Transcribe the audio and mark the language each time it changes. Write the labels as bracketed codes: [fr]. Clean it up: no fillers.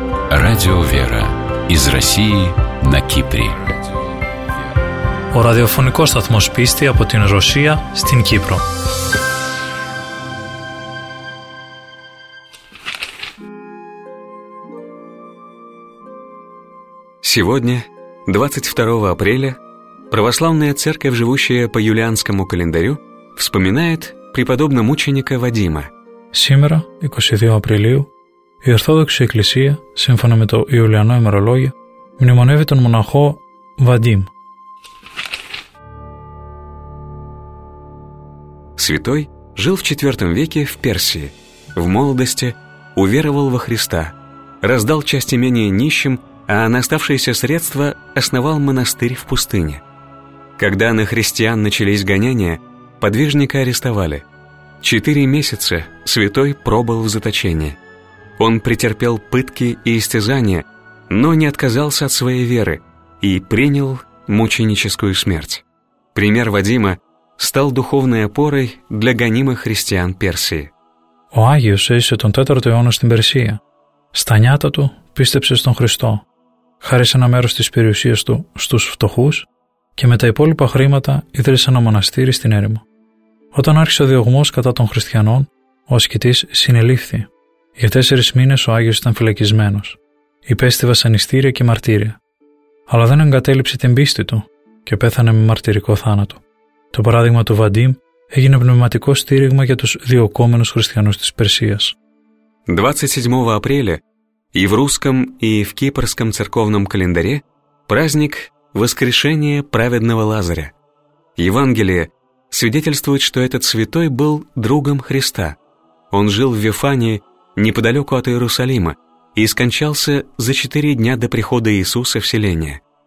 [ru] Радио «Вера» из России на Кипре. [el] Ο ραδιοφωνικός σταθμός πίστη από την Ρωσία στην Κύπρο. [ru] Сегодня, 22 апреля, православная церковь, живущая по юлианскому календарю, вспоминает преподобного мученика Вадима. Сегодня, 22 апреля, [el] η Ορθόδοξη Εκκλησία, σύμφωνα με το Ιουλιανό ημερολόγιο, μνημονεύει τον μοναχό Βαντίμ. [ru] Святой жил в IV веке в Персии. В молодости уверовал во Христа, раздал часть имения нищим, а на оставшиеся средства основал монастырь в пустыне. Когда на христиан начались гонения, подвижника арестовали. 4 месяца святой пробыл в заточении. Он претерпел пытки и истязания, но не отказался от своей веры и принял мученическую смерть. Пример Вадима стал духовной опорой для гонимых христиан Персии. [el] Ο Άγιος έζησε τον 4ο αιώνα στην Περσία. Στα νιάτα του πίστεψε στον Χριστό, χάρισε ένα μέρος της περιουσίας του στους φτωχούς και με τα υπόλοιπα χρήματα ίδρυσε ένα μοναστήρι στην έρημο. Όταν άρχισε ο διωγμός κατά των χριστιανών, ο ασκητής συνελήφθη. Για 4 μήνες ο Άγιος ήταν φυλακισμένος. Υπέστη βασανιστήρια και μαρτύρια. Αλλά δεν εγκατέλειψε την πίστη του και πέθανε με μαρτυρικό θάνατο. Το παράδειγμα του Βαντίμ έγινε πνευματικό στήριγμα για τους διωκόμενους χριστιανούς της Περσίας. [ru] 27 Απρίλια и в русском, и в кипрском церковном календаре праздник воскрешения праведного Лазаря. Евангелие свидетельствует, что этот святой был другом Христа. Он жил в Вифании, неподалеку от Иерусалима, и скончался за 4 дня до прихода Иисуса в селение.